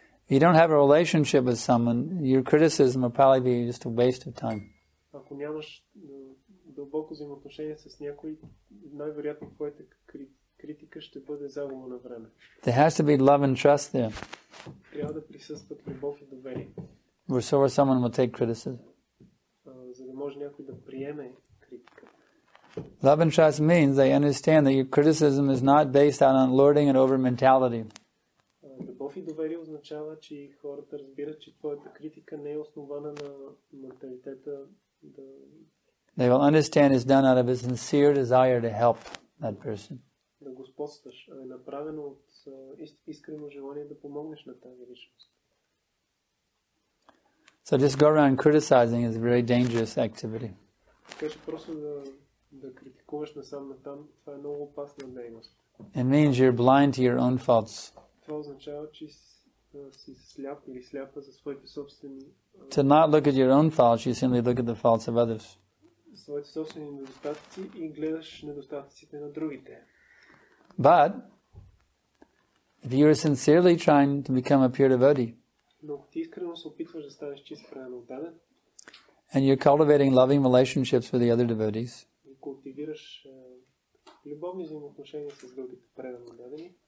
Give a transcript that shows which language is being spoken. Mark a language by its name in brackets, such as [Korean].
[English] If you don't have a relationship with someone, your criticism will probably be just a waste of time. [Bulgarian] Ако нямаш дълбоко взаимоотношение с някой, най-вероятно твоята критика ще бъде загуба на време. [English] There has to be love and trust there. [Bulgarian] Трябва да присъстват любов и доверие. [English] Where someone will take criticism. [Bulgarian] За да може някой да приеме критика. [English] Love and trust means they understand that your criticism is not based on lording and over mentality. [Bulgarian] Любов и доверие означава, че хората разбират, че твоята критика не е основана на менталитета. [English] They will understand it's done out of a sincere desire to help that person. [Bulgarian] Да господстваш, а е направено от искрено желание да помогнеш на тази личност. [English] So just go around criticizing is a very dangerous activity. [Bulgarian] Кажи просто да критикуваш насам натам, това е много опасна дейност. [English] It means you're blind to your own faults. [Bulgarian] Това означава, че си сляп или сляпа за своите собствени. [English] To not look at your own faults, you simply look at the faults of others. [Bulgarian] Своите собствени недостатъци и гледаш недостатъците на другите. [English] But if you are sincerely trying to become a pure devotee, [Bulgarian] но ако ти искрено се опитваш да станеш чист преданоотдаден, [English] and you're cultivating loving relationships with the other devotees, [Bulgarian] и култивираш любовни взаимоотношения с другите преданоотдадени,